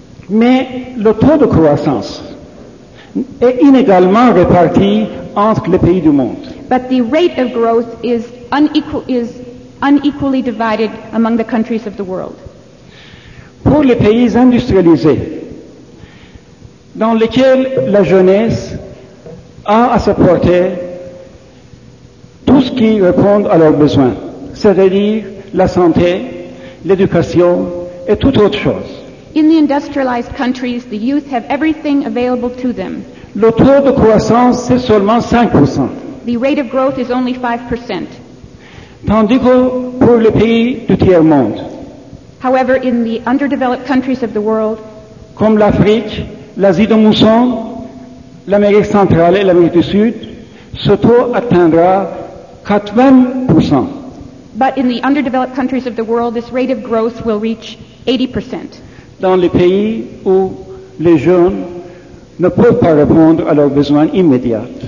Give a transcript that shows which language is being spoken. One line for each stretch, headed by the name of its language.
French: Mais le taux de croissance est inégalement réparti entre les pays du monde.
English: But the rate of growth is unequally divided among the countries of the world.
French: Pour les pays industrialisés, dans lesquels la jeunesse a à sa portée tout ce qui répond à leurs besoins, c'est-à-dire la santé, l'éducation et toute autre chose.
English: In the industrialized countries, the youth have everything available to them.
French: Le taux de croissance, c'est seulement 5%.
English: The rate of growth is only 5%.
French: Tandis que pour les pays du tiers-monde,
English: however, in the underdeveloped countries of the world,
French: comme l'Afrique, l'Asie de Mousson, l'Amérique centrale et l'Amérique du Sud, ce taux atteindra 80%.
English: But in the underdeveloped countries of the world, this rate of growth will reach 80%.
French: Dans les pays où les jeunes ne peuvent pas répondre à leurs besoins immédiats.